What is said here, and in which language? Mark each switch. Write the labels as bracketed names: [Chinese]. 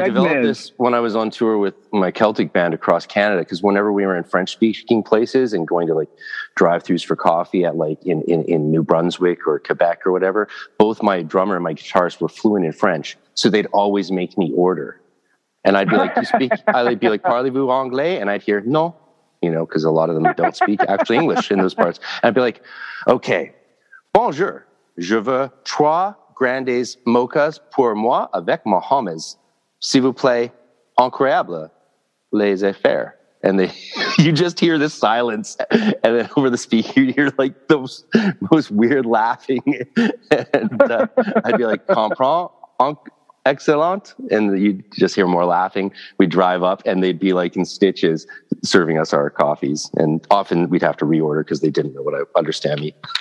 [English] I developed this when I was on tour with my Celtic band across Canada, because whenever we were in French-speaking places and going to, like, drive-thrus for coffee at, like, in New Brunswick or Quebec or whatever, both my drummer and my guitarist were fluent in French, so they'd always make me order. And I'd be like, you speak? I'd be like, [French] parlez-vous anglais? [English] And I'd hear, no. You know, because a lot of them don't speak actually English in those parts. And I'd be like, okay, bonjour. [French] Je veux trois grandes mochas pour moi avec ma hommes. S'il vous plaît, incroyable, laissez-faire. [English] And you just hear this silence. And then over the speaker, you hear like those most weird laughing. And I'd be like, [French] comprends, excellent. [English] And you'd just hear more laughing. We'd drive up and they'd be like in stitches serving us our coffees, and often we'd have to reorder because they didn't know what I understand me.